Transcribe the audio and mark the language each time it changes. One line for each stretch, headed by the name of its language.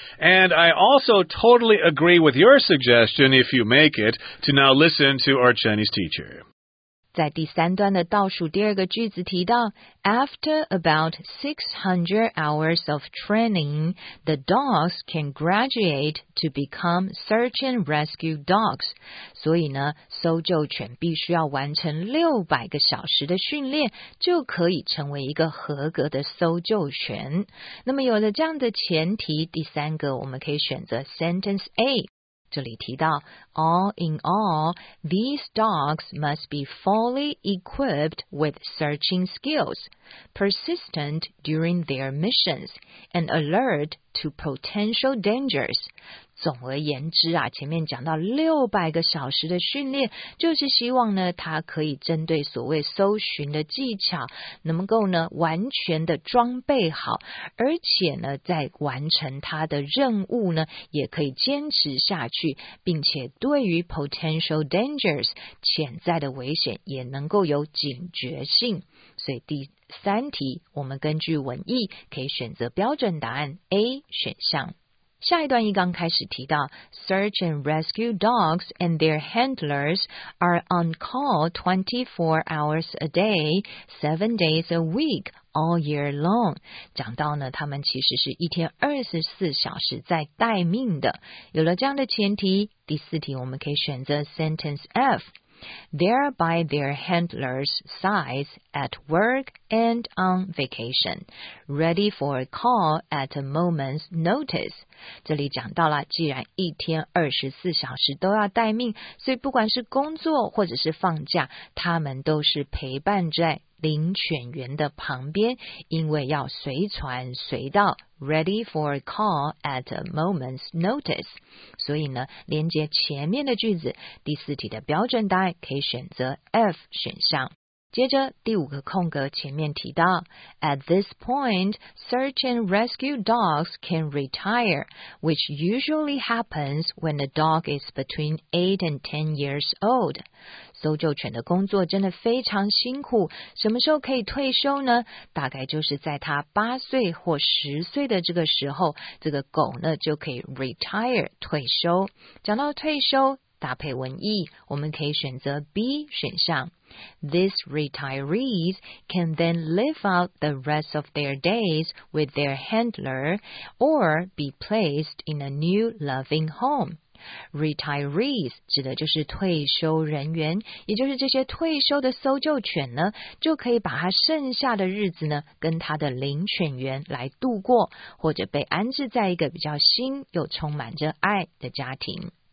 English: And I also totally agree with your suggestion, if you make it, to now listen to our Chinese teacher.
Chinese: 在第三段的倒数第二个句子提到
English: After about 600 hours of training, the dogs can graduate to become search and rescue dogs.
Chinese: 所以呢，搜救犬必须要完成600个小时的训练，就可以成为一个合格的搜救犬。那么有了这样的前提，第三个我们可以选择 Sentence A。这里提到
English: All in all, these dogs must be fully equipped with searching skills, persistent during their missions, and alert to potential dangers.
Chinese: 总而言之啊，前面讲到600个小时的训练，就是希望呢，它可以针对所谓搜寻的技巧，能够呢完全的装备好，而且呢在完成它的任务呢，也可以坚持下去，并且对于
English: potential dangers
Chinese: 潜在的危险也能够有警觉性。所以第三题，我们根据文意可以选择标准答案 A 选项。下一段一刚开始提到
English: Search and rescue dogs and their handlers are on call 24 hours a day, 7 days a week, all year long.
Chinese: 讲到呢，他们其实是一天24小时在待命的。有了这样的前提，第四题我们可以选择 Sentence F.
English: Thereby their handler's size at work and on vacation, ready for a call at a moment's notice.
Chinese: 这里讲到了，既然一天24小时都要待命，所以不管是工作或者是放假，他们都是陪伴在领犬员的旁边，因为要随传随到
English: ready for a call at a moment's notice.
Chinese: 所以呢，连接前面的句子，第四题的标准答案可以选择 F 选项。接着第五个空格前面提到
English: At this point, search and rescue dogs can retire, which usually happens when the dog is between 8 and 10 years old.
Chinese: 搜救犬的工作真的非常辛苦，什么时候可以退休呢？大概就是在它8岁或10岁的这个时候，这个狗呢就可以 retire, 退休。讲到退休，搭配文意，我们可以选择 B 选项。
English: These retirees can then live out the rest of their days with their handler or be placed in a new loving home.
Chinese: Retirees 指的就是退休人员，也就是这些退休的搜救犬呢，就可以把它剩下的日子呢，跟它的领犬员来度过，或者被安置在一个比较新又充满着爱的家庭。